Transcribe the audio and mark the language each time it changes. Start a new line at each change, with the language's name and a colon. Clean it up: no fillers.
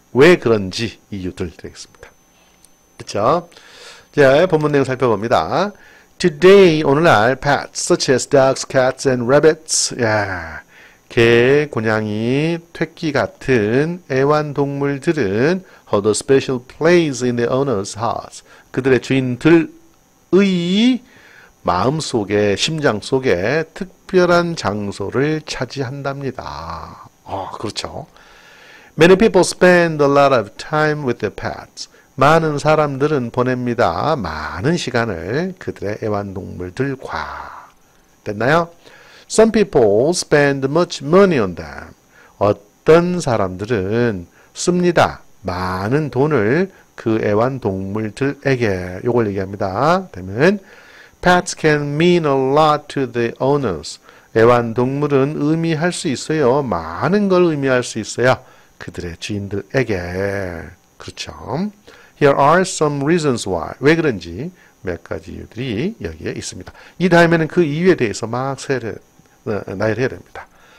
Korean: 왜 그런지 이유들 드리겠습니다. 그쵸? 자, 본문 내용 살펴봅니다.
English: Today, 오늘날, pets such as dogs, cats, and rabbits.
Korean: 개, 고양이, 토끼 같은 애완동물들은
English: hold a special place in the owner's heart.
Korean: 그들의 주인들의 마음 속에, 심장 속에 특별한 장소를 차지한답니다. 그렇죠.
English: Many people spend a lot of time with their pets.
Korean: 많은 사람들은 보냅니다. 많은 시간을 그들의 애완동물들과. 됐나요?
English: Some people spend much money on them.
Korean: 어떤 사람들은 씁니다. 많은 돈을 그 애완동물들에게. 요걸 얘기합니다. 되면
English: Pets can mean a lot to the owners.
Korean: 애완동물은 의미할 수 있어요. 많은 걸 의미할 수 있어요. 그들의 주인들에게. 그렇죠.
English: Here are some reasons why.
Korean: 왜 그런지 몇 가지 이유들이 여기에 있습니다. 이 다음에는 그 이유에 대해서 막 나열해야 됩니다.